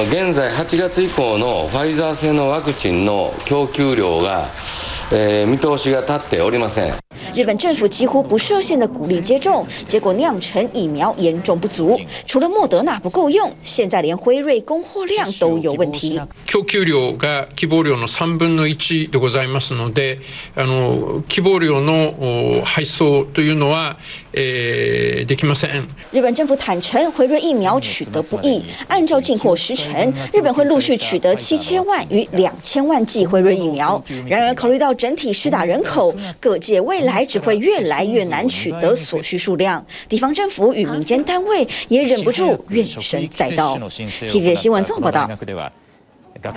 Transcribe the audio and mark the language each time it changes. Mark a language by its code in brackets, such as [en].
[ja] 現在8月以降のファイザー製のワクチンの供給量が見通しが立っておりません。 [zh] 日本政府几乎不设限的鼓励接种，结果酿成疫苗严重不足，除了莫德纳不够用，现在连辉瑞供货量都有问题。 [ja] 供给量が希望量の3分の1でございますので、希望量の配送というのはできません。 [zh] 日本政府坦承辉瑞疫苗取得不易，按照进货时程，日本会陆续取得7000万与2000万剂辉瑞疫苗。然而考虑到整体施打人口，各界未来只会越来越难取得所需数量，地方政府与民间单位也忍不住怨声载道。 TVBS 新闻综合报道。